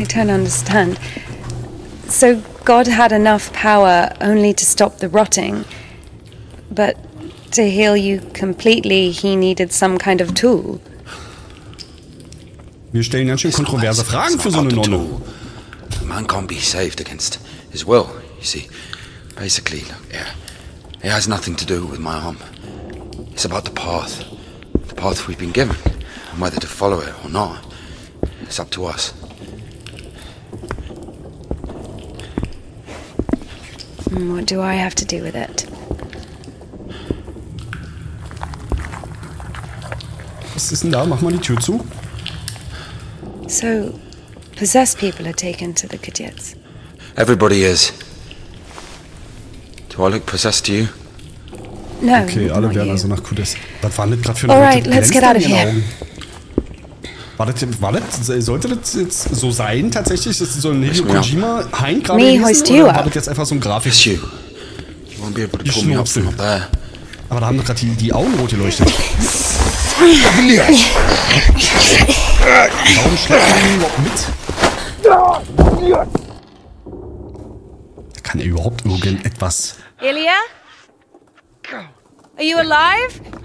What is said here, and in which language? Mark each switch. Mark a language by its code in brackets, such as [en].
[en] I don't understand. So, God had enough power only to stop the rotting. But to heal you completely, he needed some kind of tool. [de] Wir stellen ganz schön kontroverse Fragen für so eine Nonne. [en] The man can't be saved against his will, you see. Basically, look, yeah. It has nothing to do with my arm. It's about the path. The path we've been given. And whether to follow it or not. It's up to us. What do I have to do with it? [de] Was ist denn da? Mach mal die Tür zu. [en] So, possessed people are taken to the cadets. Everybody is. Do I look possessed to you? No, [de] okay, alle werden also nach Kudess. Was war denn gerade für eine [en] Alright, let's get out of here. [de] War das, sollte das jetzt so sein, tatsächlich, dass so ein Hideo Kojima Hein gerade [en] me hoist you [de] up. War das jetzt einfach so ein Grafik? [en] You. You won't be able to pull me up from up there. [de] Aber da haben doch gerade die Augen rot geleuchtet. Warum schleppt er ihn überhaupt mit? Kann er überhaupt irgendetwas? [en] Ilya? Are you alive?